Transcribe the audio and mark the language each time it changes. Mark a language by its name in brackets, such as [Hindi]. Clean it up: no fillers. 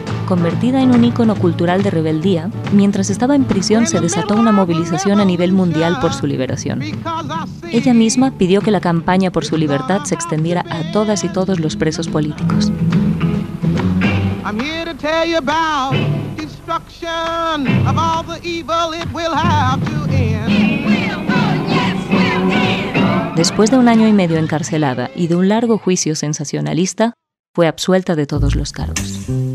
[Spanish] convertida en un ícono cultural de rebeldía, mientras estaba en prisión se desató una movilización a nivel mundial por su liberación. Ella misma pidió que la campaña por su libertad se extendiera a todas y todos los presos políticos. [English] I'm here to tell you about destruction of all the evil it will have to end. [Spanish] Después de un año y medio encarcelada y de un largo juicio sensacionalista, fue absuelta de todos los cargos.